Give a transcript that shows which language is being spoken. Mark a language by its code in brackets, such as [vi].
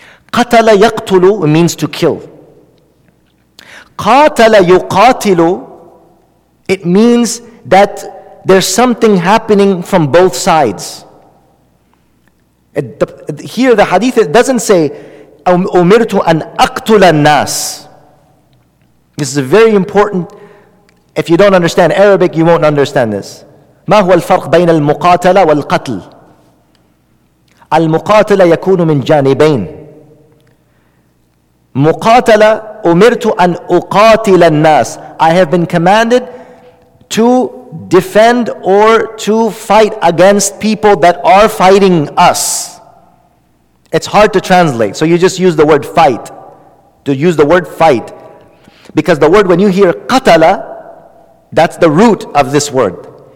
[en] Qatala yaqtulu means to kill. Qatala yuqatilu, it means that there's something happening from both sides. Here the hadith doesn't say, [ar] umirtu an aqtula an-nas. [en] This is a very important, if you don't understand Arabic, you won't understand this. [ar] ما هو الفرق بين المقاتلة والقتل؟ المقاتلة يكون من جانبين. مقاتلة أمرت أن أقاتل الناس. [en] I have been commanded to defend or to fight against people that are fighting us. It's hard to translate, so you just use the word fight. To use the word fight. Because the word, when you hear qatala, that's the root of this word.